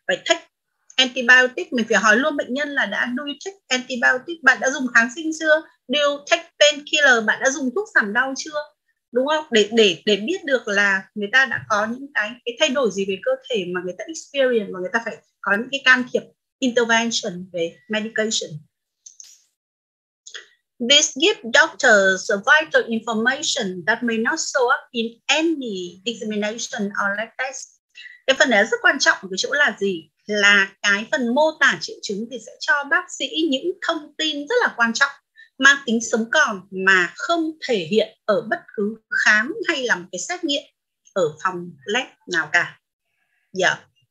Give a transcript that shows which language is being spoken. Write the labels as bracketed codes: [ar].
[vi] Phải [en] take antibiotic. [vi] Mình phải hỏi luôn bệnh nhân là đã [en] do you take antibiotic, [vi] bạn đã dùng kháng sinh chưa? [en] Do you take painkiller, [vi] bạn đã dùng thuốc giảm đau chưa? Đúng không? Để biết được là người ta đã có những cái thay đổi gì về cơ thể mà người ta experience, mà người ta phải có những cái can thiệp intervention về medication. [en] This gives doctors vital information that may not show up in any examination or lab test. [vi] Cái phần này rất quan trọng của chỗ là gì? Là cái phần mô tả triệu chứng thì sẽ cho bác sĩ những thông tin rất là quan trọng, mang tính sống còn mà không thể hiện ở bất cứ khám hay làm cái xét nghiệm ở phòng lab nào cả. Yeah.